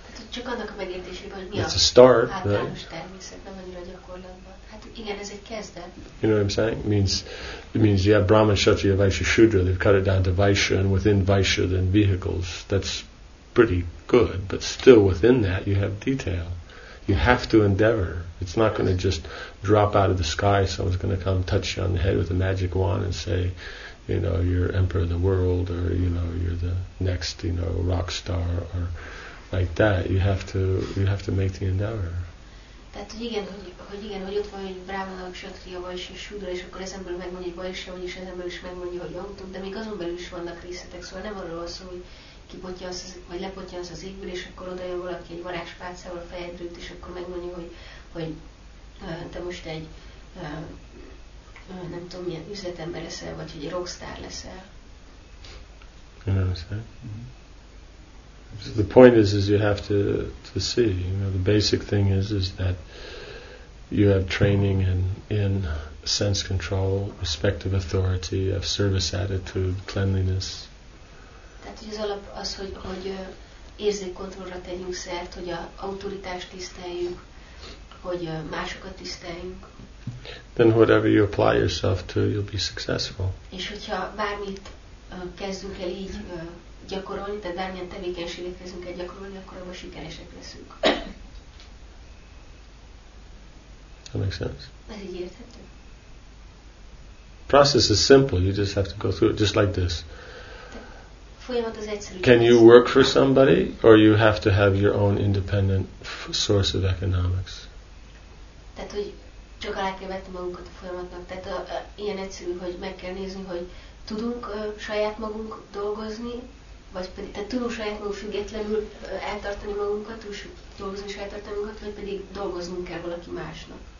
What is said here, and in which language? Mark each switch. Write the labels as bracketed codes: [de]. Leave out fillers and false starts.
[hu] Csak annak a megértésében, hogy mi a start, általános [en] right? [hu] Természet, nem annyira gyakorlatban. Hát igen, ez egy kezdet. [en] You know what I'm saying? It means you have Brahma, Kshatriya, Vaishya, Shudra. They've cut it down to Vaishya, and within Vaishya, then vehicles. That's pretty good, but still within that, you have detail. You have to endeavor. It's not going to just drop out of the sky. Someone's going to come touch you on the head with a magic wand and say, you know, you're emperor of the world, or you know, you're the next, you know, rock star, or like that. You have to make the endeavor. [hu] Tehát, hogy igen, hogy ott van, hogy Brahmana, Kshatriya, Vaishya, Shudra, és akkor ezen belül megmondja, hogy Vaishya, vagyis ezen belül is megmondja, hogy autók, de még azon belül is vannak részletek, szóval nem arról van szó, hogy kibotjansz, vagy lepotjansz az égből, és akkor oda jön valaki egy varázspálcával a fejedrőt, és akkor megmondja, hogy te most egy nem tudom, milyen üzletember leszel, vagy hogy egy rockstar leszel. Nem leszel. [en] So the point is you have to see. You know, the basic thing is that you have training in sense control, respect of authority, of service attitude, cleanliness. [hu] Tehát az alap az, hogy érzékkontrollra tegyünk szert, hogy a autoritást tiszteljük, hogy másokat tiszteljünk. [en] Then whatever you apply yourself to, you'll be successful. [hu] És hogyha bármit kezdünk el így gyakorolni, tehát bármilyen tevékenységet kezdünk el gyakorolni, akkor abban sikeresek leszünk. [en] That makes sense. [hu] Ez így érthető. [en] Process is simple. You just have to go through it just like this. [hu] Folyamat az egyszerű. [en] Can you work for somebody, or you have to have your own independent source of economics? [hu] Tehát, hogy csak alá kell vetni magunkat a folyamatnak. Tehát ilyen egyszerű, hogy meg kell nézni, hogy tudunk saját magunk dolgozni, vagy pedig, tehát tudunk saját magunk függetlenül eltartani magunkat, és dolgozni saját tartani magunkat, vagy pedig dolgoznunk kell valaki másnak.